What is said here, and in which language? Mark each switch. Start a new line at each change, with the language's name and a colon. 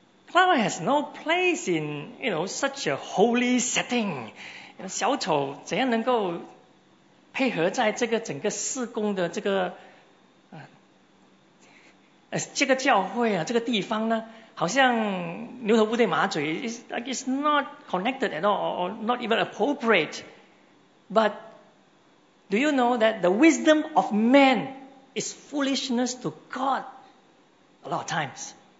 English: Clown has no place in, you know, such a holy setting.
Chinese: You know, 小丑怎样能够配合在这个整个事工的这个 这个教会啊，这个地方呢？好像牛头不对马嘴，
English: it's not connected at all, or not even appropriate. But do you know that the wisdom of man is foolishness to God a lot of times?